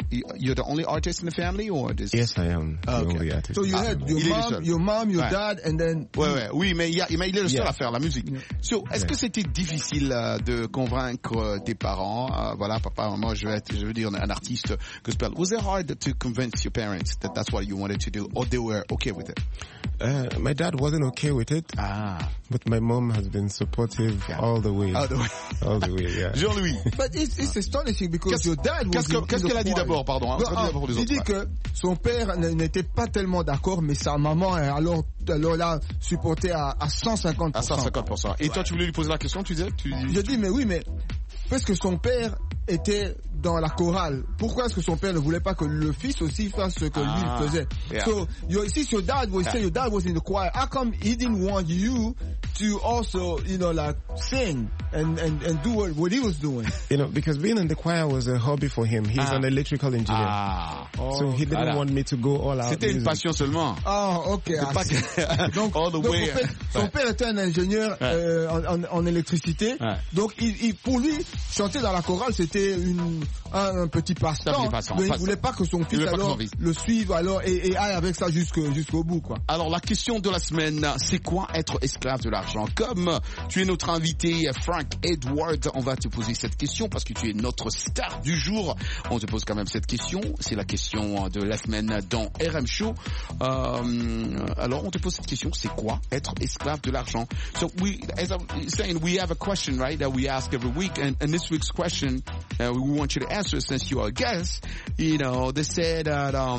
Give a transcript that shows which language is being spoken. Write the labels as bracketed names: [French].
[English] You're the only artist in the family, or this? Yes, I am. Okay. The only so you had your mom, your [French] ouais. [English] Dad, and then. [French] Mais il est le seul à faire la musique. [English] Yeah. So, [French] est-ce que c'était difficile de convaincre tes parents? Voilà, papa, maman, je veux dire un artiste gospel. [English] Was it hard to convince your parents that that's what you wanted to do, or they were okay with it? My dad wasn't okay with it. Ah. But my mom has been supportive all the way. All the way, yeah. Jean-Louis. But it's astonishing because your dad was. [French] Qu'est-ce qu'elle a dit d'abord, pardon? Il dit que son père n'était pas tellement d'accord, mais sa maman alors là supportait à 150%. À 150%. Et toi, tu voulais lui poser la question, tu disais? Mais parce que son père était dans la chorale. Pourquoi est-ce que son père ne voulait pas que le fils aussi fasse ce que lui faisait? [English] So your dad was in the choir. How come he didn't want you to also, you know, like sing and do what he was doing? You know, because being in the choir was a hobby for him. He's an electrical engineer. So he didn't want me to go all out. [French] C'était une passion seulement. [English] Ah, okay. [French] C'est pas que... donc, [English] all the [French] donc, [English] way. [French] En fait, son père était un ingénieur en électricité. Ouais. Donc il pour lui chanter dans la chorale c'était un petit passe-temps, mais il voulait pas que son fils le suive et aille avec ça jusqu'au bout, quoi. Alors la question de la semaine, c'est quoi être esclave de l'argent? Comme tu es notre invité Frank Edward, on va te poser cette question parce que tu es notre star du jour. On te pose quand même cette question, c'est la question de la semaine dans RM Show. Alors on te pose cette question, c'est quoi être esclave de l'argent? [English] So we, as I'm saying, we have a question, right, that we ask every week, and this week's question we want you to answer since you are a guest. You know, they said that